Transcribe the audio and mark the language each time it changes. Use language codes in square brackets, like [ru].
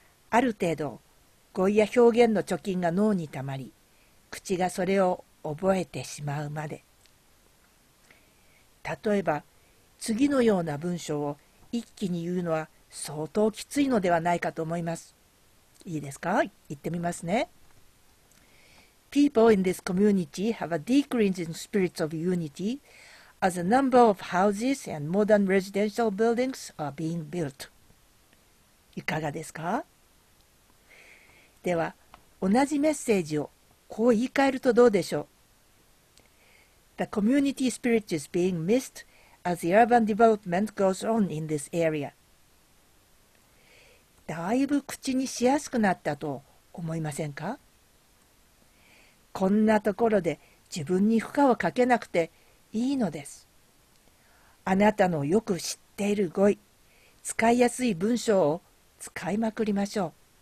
[ja] ある程度語彙や表現の貯金が脳にたまり、口がそれを覚えてしまうまで。例えば次のような文章を一気に言うのは相当きついのではないかと思います。いいですか？言ってみますね。 [en] People in this community have a decrease in spirits of unityas a number of houses and modern residential buildings are being built. [ja] いかがですか？では、同じメッセージをこう言い換えるとどうでしょう？ [en] The community spirit is being missed as the urban development goes on in this area. [ja] だいぶ口にしやすくなったと思いませんか？こんなところで自分に負荷をかけなくていいのです。あなたのよく知っている語彙、使いやすい文章を使いまくりましょう。